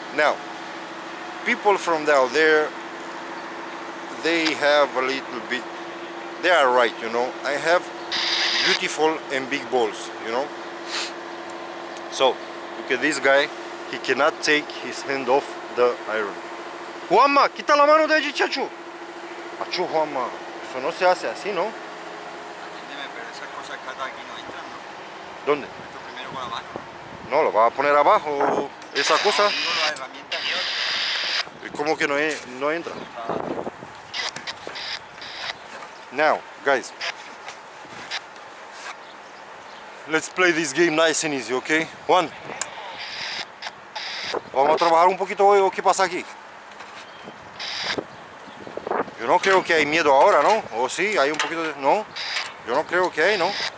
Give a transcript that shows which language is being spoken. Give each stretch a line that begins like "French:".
English: Now, people from down there, they have a little bit, they are right, you know. I have beautiful and big balls, you know. So, look at this guy, he cannot take his hand off the iron.
Spanish: Juanma, quita la mano de allí, chacho. Achú, Juanma, eso no se hace así, ¿no? Atiéndeme, pero esas cosas que están aquí no entran, ¿no? ¿Dónde? Esto primero con abajo. No, lo vas a poner abajo, esa cosa. No, digo las herramientas y otras. ¿Y cómo que no, no entra?
English: Now, guys, let's play this game nice and easy, okay?
Spanish: Juan, vamos a trabajar un poquito hoy, ¿qué pasa aquí? Yo no creo que hay miedo ahora, ¿no? O sí, hay un poquito de... No, yo no creo que hay, ¿no?